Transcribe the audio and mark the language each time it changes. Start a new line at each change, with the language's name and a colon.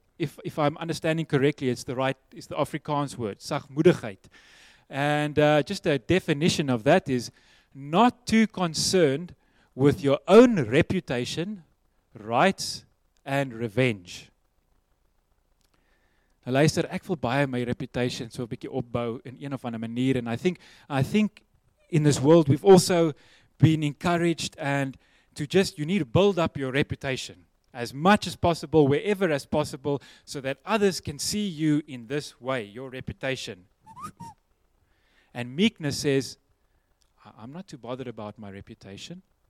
English: If I'm understanding correctly, it's the Afrikaans word, sagmoedigheid. And just a definition of that is not too concerned with your own reputation, rights, and revenge.
Afrikaans: Nou luister, ek wil baie my reputation so 'n bietjie opbou in een of ander manier.
English: And I think in this world we've also been encouraged and to just you need to build up your reputation as much as possible, wherever as possible, so that others can see you in this way, your reputation. And meekness says, I'm not too bothered about my reputation.